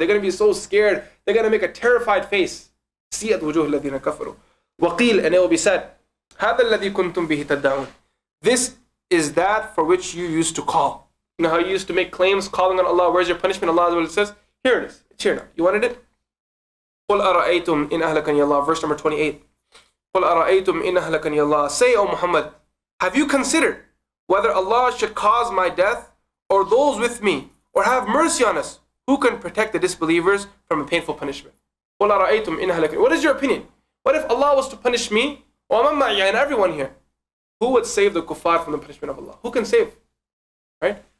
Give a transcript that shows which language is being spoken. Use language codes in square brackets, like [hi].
[en] They're going to be so scared. They're going to make a terrified face. [ar] سِيَّتْ وُجُوهُ الَّذِينَ كَفَرُوا وَقِيلَ [en] And it will be said, [ar] هَذَا الَّذِي كُنْتُمْ بِهِ تَدَّعُونَ [en] This is that for which you used to call. You know how you used to make claims, calling on Allah, where's your punishment? Allah says, here it is. It's here now. You wanted it? [ar] قُلْ أَرَأَيْتُمْ إِنْ أَهْلَكَنِيَ اللَّهُ [en] Verse number 28. [ar] قُلْ أَرَأَيْتُمْ إِنْ أَهْلَكَنِيَ اللَّهُ [en] Say, O Muhammad, have you considered whether Allah should cause my death or those with me or have mercy on us? Who can protect the disbelievers from a painful punishment? [ar] قُلْ أَرَأَيْتُمْ إِنْ أَهْلَكَنِيَ [en] What is your opinion? What if Allah was to punish me, [ar] وَمَنْ مَعِيَ [en] And everyone here? Who would save the kuffar from the punishment of Allah? Who can save? Right?